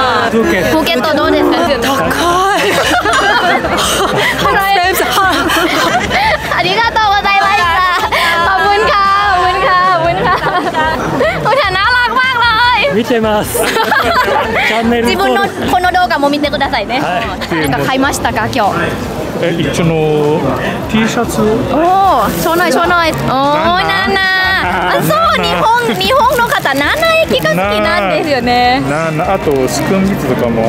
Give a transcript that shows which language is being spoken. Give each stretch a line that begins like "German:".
Japanese: プーケットどうですか？高い。ハラエンス。ありがとうございました。
Thai: ขอบคุณค่ะ ขอบคุณค่ะ ขอบคุณค่ะ โอ้ยน่ารักมากเลย
Japanese: 見てます。チャンネル自分のこの動画も見てくださいね。はい、なんか買いましたか今日？一応の T シャツ。おお、そうないそうない。おお、ナナ。あ、そう日本の方ナナ駅が好きなんですよね。ナナ、あとスクンビットとかも。